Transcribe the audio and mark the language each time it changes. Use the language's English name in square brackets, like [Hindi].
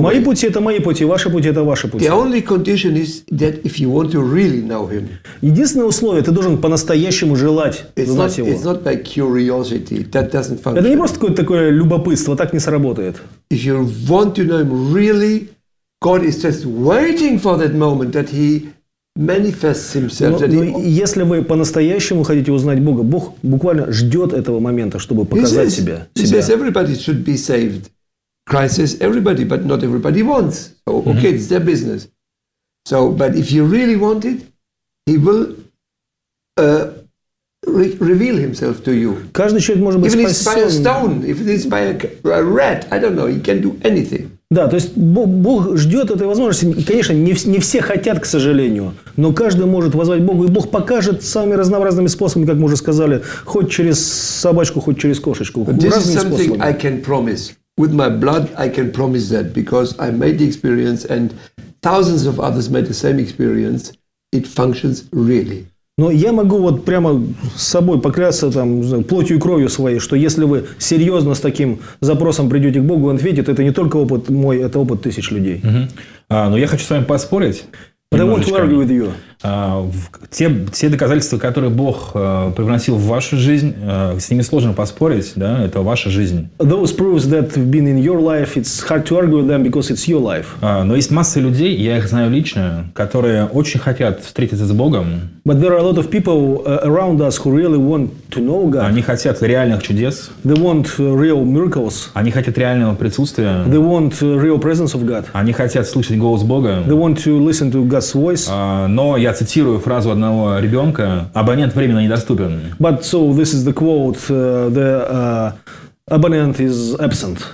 [Russian] Мои пути это мои пути, ваши пути это ваши пути. [English] The only condition is that if you want to really know him. [Russian] Единственное условие, ты должен по-настоящему желать знать его. [English] It's not by curiosity, that doesn't function. [Russian] Это не просто какое-то такое любопытство, так не сработает. [English] If you want to know him really, God is just waiting for that moment that he manifests himself. [Russian] Если вы по-настоящему хотите узнать Бога, Бог буквально ждет этого момента, чтобы показать себя. [English] He says everybody should be saved. Christ says everybody, but not everybody wants. So, okay, it's their business. So, but if you really want it, he will reveal himself to you. [Russian] Каждый человек может быть спасен. [English] Even if it's by a stone, if it's by a rat, I don't know, he can do anything. [Russian] Да, то есть Бог ждет этой возможности. И, конечно, не все хотят, к сожалению, но каждый может воззвать Богу, и Бог покажет самыми разнообразными способами, как мы уже сказали, хоть через собачку, хоть через кошечку. [English] This is something I can promise. With my blood, I can promise that, because I made the experience, and thousands of others made the same experience, it functions really. [Russian] Но я могу вот прямо с собой поклясться там, плотью и кровью своей, что если вы серьезно с таким запросом придете к Богу, он ответит, это не только опыт мой, это опыт тысяч людей. Uh-huh. Но я хочу с вами поспорить. [English] But I want to argue with you. [Russian] Те доказательства, которые Бог привносил в вашу жизнь, с ними сложно поспорить, да, это ваша жизнь. [English] Those proofs that have been in your life, it's hard to argue with them because it's your life. [Russian] Но есть масса людей, я их знаю лично, которые очень хотят встретиться с Богом. [English] But there are a lot of people around us who really want to know God. [Russian] Они хотят реальных чудес. [English] They want real miracles. [Russian] Они хотят реального присутствия. [English] They want real presence of God. [Russian] Они хотят слышать голос Бога. [English] They want to listen to God's voice. [Russian] Но я цитирую фразу одного ребенка: абонент временно недоступен. [English] But so this is the quote: the abonnent is absent.